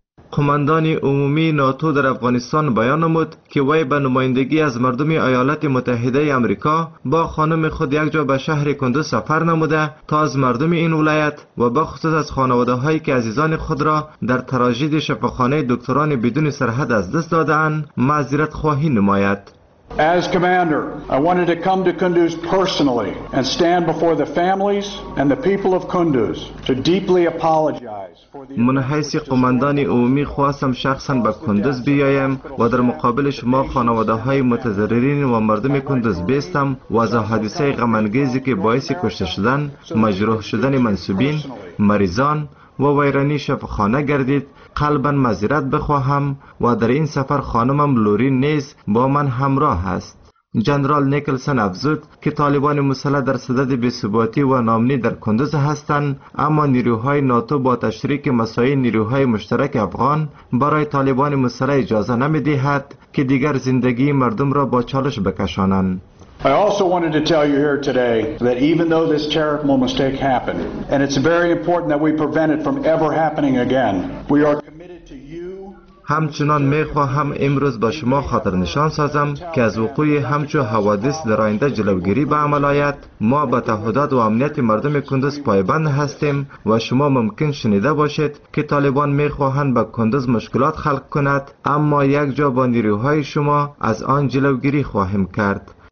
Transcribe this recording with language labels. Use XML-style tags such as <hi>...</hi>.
<fa>قماندان عمومی ناتو در افغانستان بیان نمود که وی به نمایندگی از مردم ایالات متحده آمریکا با خانم خود یک جا به شهر کندوز سفر نموده تا از مردم این ولایت و به خصوص از خانواده هایی که عزیزان خود را در تراژدی شفاخانه دکتران بدون سرحد از دست دادند معذرت خواهی نماید.</fa> <en>As commander, I wanted to come to Kunduz personally and stand before the families and the people of Kunduz to deeply apologize for the</en> <fa>منحیث قماندان عمومی خواستم شخصا به کندوز بیایم و در مقابل شما خانواده های متضررین و مردم کندوز بیستم و از حادثه غم انگیزی که باعث کشته شدن، مجروح شدن منصوبین، مریضان و ویرانی شفاخانه گردید. قلبا معذرت بخواهم و در این سفر خانمم لورین نیز با من همراه است. جنرال نیکلسن افزود که طالبان مسلح در صدد بی‌ثباتی و ناامنی در کندوز هستند، اما نیروهای ناتو با تشریک مساعی نیروهای مشترک افغان برای طالبان مسلح اجازه نمی‌دهد که دیگر زندگی مردم را با چالش بکشانند.</fa> <en>I also wanted to tell you here today that even though this terrible mistake happened, and it's very important that we prevent it from ever happening again, we are committed to you.</en> <fa>همچنان می خواهم امروز با شما خاطر نشان سازم که از وقوع همچو حوادث در آینده جلوگیری به عمل آید. ما به تعهدات و امنیت مردم کندز پایبند هستیم و شما ممکن شنیده باشید که طالبان می خواهند به کندز مشکلات خلق کند، اما یک جا با نیروهای شما از آن جلوگیری خواهیم کرد.</fa>